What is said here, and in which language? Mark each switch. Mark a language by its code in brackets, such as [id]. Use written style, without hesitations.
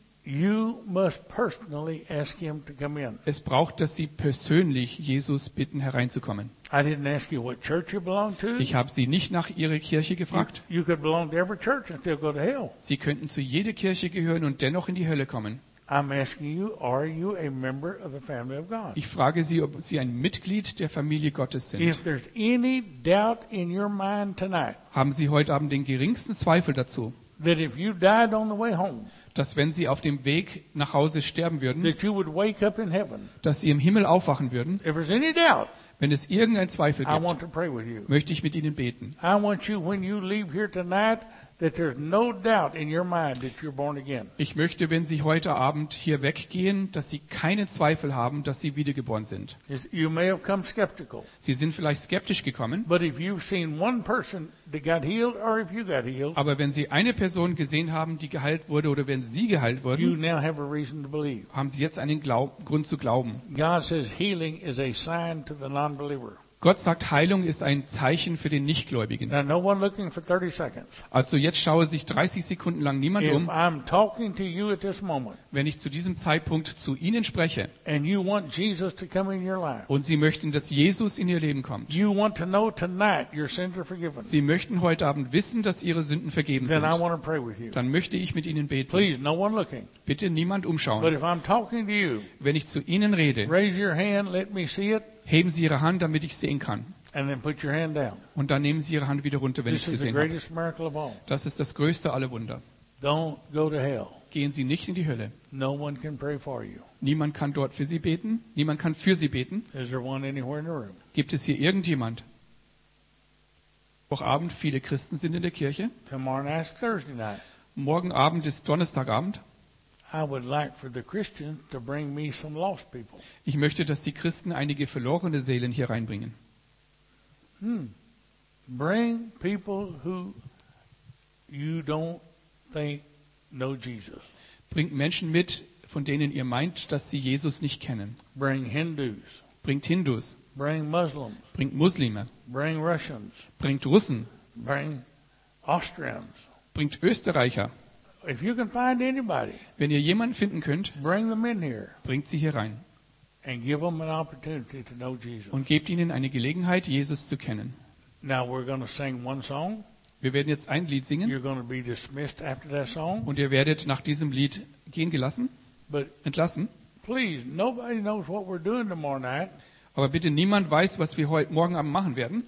[en] You must personally ask him to come in. [de] Es braucht, dass sie persönlich Jesus bitten hereinzukommen. [en] I didn't ask you what church you belong to. [de] Ich habe sie nicht nach ihrer Kirche gefragt. [en] You could belong to every church and still go to hell. [de] Sie könnten zu jeder Kirche gehören und dennoch in die Hölle kommen. [en] I'm asking you, are you a member of the family of God? [de] Ich frage sie, ob sie ein Mitglied der Familie Gottes sind. [en] If there's any doubt in your mind tonight, [de] haben Sie heute Abend den geringsten Zweifel dazu, [en] that if you died on the way home, [de] dass wenn sie auf dem Weg nach Hause sterben würden, [en] that you would wake up in heaven, [de] dass sie im Himmel aufwachen würden, [en] if there's any doubt, [de] wenn es irgendein Zweifel gibt, [en] I want to pray with you. [de] Möchte ich mit ihnen beten. Ich möchte, wenn sie heute Abend hier weggehen, dass sie keine Zweifel haben, dass sie wiedergeboren sind. [en] You may have come skeptical. [de] Sie sind vielleicht skeptisch gekommen. [en] But if you've seen one person that got healed, or if you got healed, [de] aber wenn sie eine Person gesehen haben, die geheilt wurde, oder wenn sie geheilt wurden, [en] you now have a reason to believe. [de] Haben sie jetzt einen Grund zu glauben. [en] God says healing is a sign to the non-believer. [de] Gott sagt, Heilung ist ein Zeichen für den Nichtgläubigen. [en] Now, no one looking for 30 seconds. [de] Also jetzt schaue sich 30 Sekunden lang niemand [en] if [de] um. [en] I'm talking to you at this moment, [de] wenn ich zu diesem Zeitpunkt zu Ihnen spreche [en] and you want Jesus to come in your life, [de] und Sie möchten, dass Jesus in Ihr Leben kommt, [en] you want to know tonight your sins are forgiven, [de] Sie möchten heute Abend wissen, dass Ihre Sünden vergeben [en] then [de] sind, [en] I want to pray with you. [de] Dann möchte ich mit Ihnen beten. [en] Please, no one looking. [de] Bitte niemand umschauen. [en] But if I'm talking to you, [de] wenn ich zu Ihnen rede, [en] raise your hand, let me see it. [de] Heben Sie Ihre Hand, damit ich sehen kann. [en] And then put your hand down. [de] Und dann nehmen Sie Ihre Hand wieder runter, wenn [en] This [de] ich gesehen [en] the greatest miracle [de] habe. [en] Of all. [de] Das ist das größte aller Wunder. [en] Don't go to hell. [de] Gehen Sie nicht in die Hölle. [en] No one can pray for you. [de] Niemand kann dort für Sie beten. Niemand kann für Sie beten. [en] Is there one anywhere in the room? [de] Gibt es hier irgendjemand? Auch Abend, viele Christen sind in der Kirche. [en] Tomorrow night is Thursday night. [de] Morgen Abend ist Donnerstagabend. [en] I would like for the Christian to bring me some lost people. [de] Ich möchte, dass die Christen einige verlorene Seelen hier reinbringen. [en] Bring people who you don't think know Jesus. [de] Bringt Menschen mit, von denen ihr meint, dass sie Jesus nicht kennen. [en] Bring Hindus. [de] Bringt Hindus. [en] Bring Muslims. [de] Bringt Muslime. [en] Bring Russians. [de] Bringt Russen. [en] Bring Austrians. [de] Bringt Österreicher. [en] If you can find anybody, [de] wenn ihr jemanden finden könnt, [en] bring them in here. [de] Bringt sie hier rein. [en] And give them an opportunity to know Jesus. [de] Und gebt ihnen eine Gelegenheit, Jesus zu kennen. [en] Now we're going to sing one song. [de] Wir werden jetzt ein Lied singen. [en] You're going to be dismissed after that song. [de] Und ihr werdet nach diesem Lied gehen gelassen, [en] But [de] entlassen. [en] Please, nobody knows what we're doing tomorrow night. [de] Aber bitte, niemand weiß, was wir heute Morgen Abend machen werden.